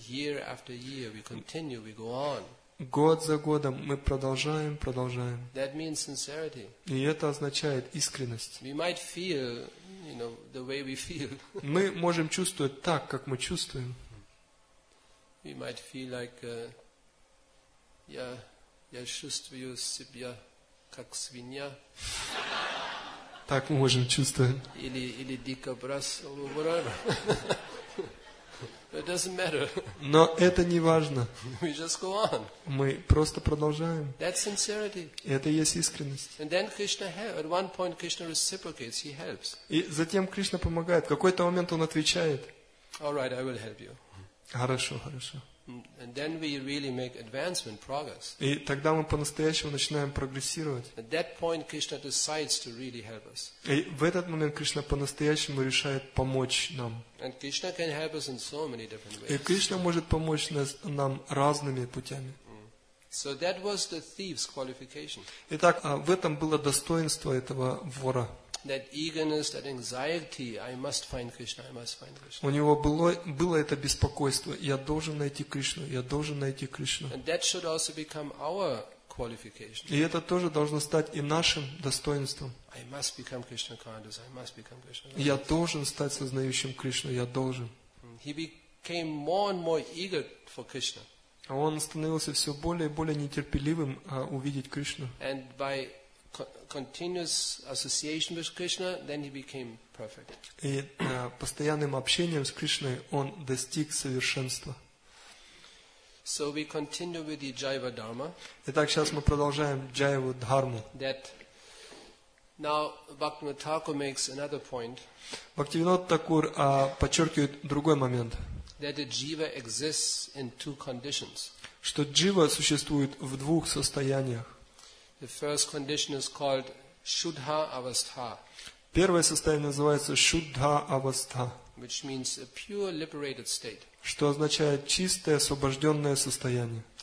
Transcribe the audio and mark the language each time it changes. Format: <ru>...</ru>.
<en>Year after year we continue, we go on.</en> <ru>Год за годом мы продолжаем, продолжаем.</ru> <en>That means sincerity.</en> <ru>И это означает искренность.</ru> <en>We might feel, you know, the way we feel.</en> <ru>Мы можем чувствовать так, как мы чувствуем.</ru> <en>We might feel like</en> <ru>я чувствую себя как свинья. Так мы можем чувствовать. Или дикобраз,</ru> <en>whatever. It doesn't matter.</en> <ru>Но это не важно.</ru> <en>We just go on.</en> <ru>Мы просто продолжаем.</ru> <en>That's sincerity.</en> <ru>Это и есть искренность.</ru> <en>And then Krishna helps. At one point Krishna reciprocates. He helps.</en> <ru>И затем Кришна помогает. В какой-то момент он отвечает.</ru> <en>All right, I will help you.</en> <ru>Хорошо, хорошо.</ru> <en>And then we really make advancement, progress.</en> <ru>И тогда мы по-настоящему начинаем прогрессировать.</ru> <en>At that point Krishna decides to really help us.</en> <ru>И в этот момент Кришна по-настоящему решает помочь нам.</ru> <en>And Krishna can help us in so many different ways.</en> <ru>И Кришна может помочь нам разными путями.</ru> <en>So that was the thief's qualification.</en> <ru>Итак, в этом было достоинство этого вора.</ru> <en>That eagerness, that anxiety, I must find Krishna, I must find Krishna.</en> <ru>У него было это беспокойство, я должен найти Кришну, я должен найти Кришну.</ru> <en>And that should also become our qualification.</en> <ru>И это тоже должно стать и нашим достоинством.</ru> <en>I must become Krishna conscious, I must become Krishna conscious.</en> <ru>Я должен стать сознающим Кришну, я должен.</ru> <en>He became more and more eager for Krishna.</en> <ru>Он становился все более и более нетерпеливым увидеть Кришну.</ru> <en>And by continuous association with Krishna, then he became perfect.</en> <ru>И постоянным общением с Кришной он достиг совершенства.</ru> <en>So we continue with the Jaiva Dharma.</en> <ru>Итак, сейчас мы продолжаем Джайву Дхарму.</ru> <en>That now Bhaktivinoda Thakur makes another point.</en> <ru>Бхактивинод Такур подчеркивает другой момент.</ru> <en>That the jiva exists in two conditions.</en> <ru>Что джива существует в двух состояниях.</ru> <en>The first condition is called Shuddha Avastha.</en> <ru>Первое состояние называется Shuddha Avastha.</ru> <en>Which means a pure liberated state.</en> <ru>Что означает чистое, освобожденное состояние.</ru>